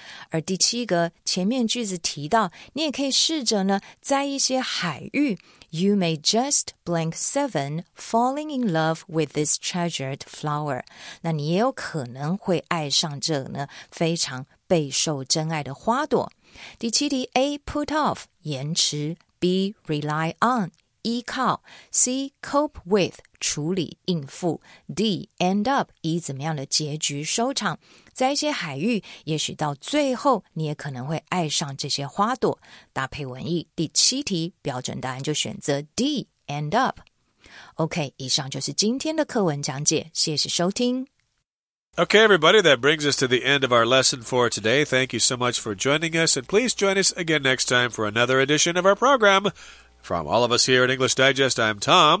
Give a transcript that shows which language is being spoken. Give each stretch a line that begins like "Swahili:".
Chinese: 而第七个前面句子提到，你也可以试着呢在一些海域，
English: You may just blank seven falling in love with this treasured flower，
Chinese: 那你也有可能会爱上这呢非常备受珍爱的花朵。第七题 A, put off 延迟， B, rely on 依靠， C, cope with 处理应付， D, end up 以怎么样的结局收场。在一些海域，也许到最后你也可能会爱上这些花朵。搭配文意，第七题标准答案就选择 D, end up。 OK, 以上就是今天的课文讲解，谢谢收听。
English: Okay, everybody, that brings us to the end of our lesson for today. Thank you so much for joining us, and please join us again next time for another edition of our program. From all of us here at English Digest, I'm Tom.